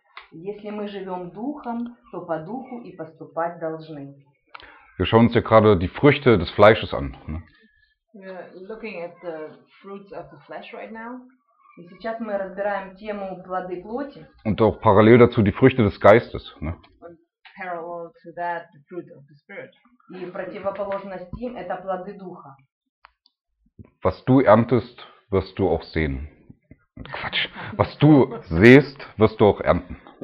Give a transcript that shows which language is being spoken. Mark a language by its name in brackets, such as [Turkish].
[Russian] Если мы живем духом, то по духу и поступать должны. [German] Wir schauen uns ja gerade die Früchte des Fleisches an. Ne? [English] We're looking at the fruits of the flesh right now. [Russian] И сейчас мы разбираем тему плоды плоти. [German] Und auch parallel dazu die Früchte des Geistes. Ne? [English] And parallel to that, the fruit of the Spirit. [Russian] И противоположность им – это плоды духа. [German] Was du erntest, wirst du auch sehen. Quatsch. Was du sehst, wirst du auch ernten.